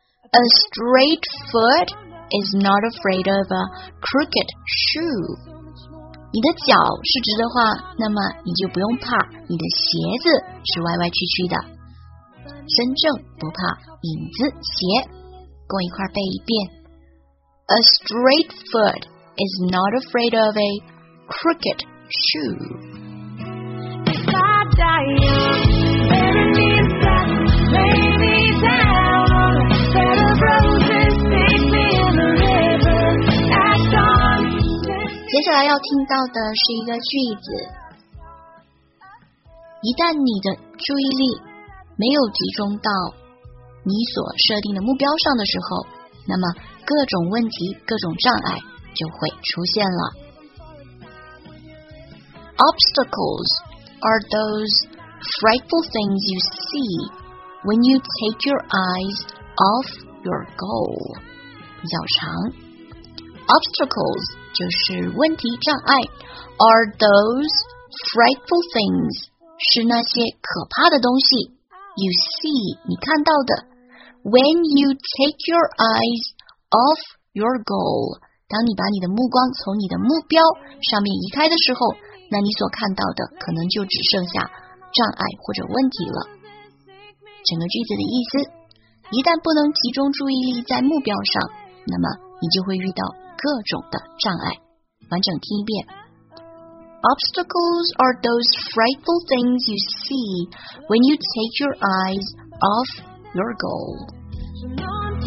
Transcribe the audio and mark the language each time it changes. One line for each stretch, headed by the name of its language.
English: A straight foot is not afraid of a crooked shoe。
Chinese: 你的脚是直的话，那么你就不用怕你的鞋子是歪歪曲曲的。身正不怕影子斜，跟我一块背一遍。
English: A straight foot is not afraid of a crooked shoe. If I die young, bury me inside, lay me down on a bed of roses, take me in the river at dawn.
Chinese: 接下来要听到的是一个句子。一旦你的注意力没有集中到你所设定的目标上的时候，那么各种问题、各种障碍就会出现了。
English: Obstacles are those frightful things you see when you take your eyes off your goal。
Chinese: 比较长。Obstacles 就是问题、障碍。
English: Are those frightful things
Chinese: 是那些可怕的东西。
English: You see,
Chinese: 你看到的
English: When you take your eyes off your goal,
Chinese: 当你把你的目光从你的目标上面移开的时候，那你所看到的可能就只剩下障碍或者问题了。整个句子的意思，一旦不能集中注意力在目标上，那么你就会遇到各种的障碍。完整听一遍。
English: Obstacles are those frightful things you see when you take your eyes off your goal.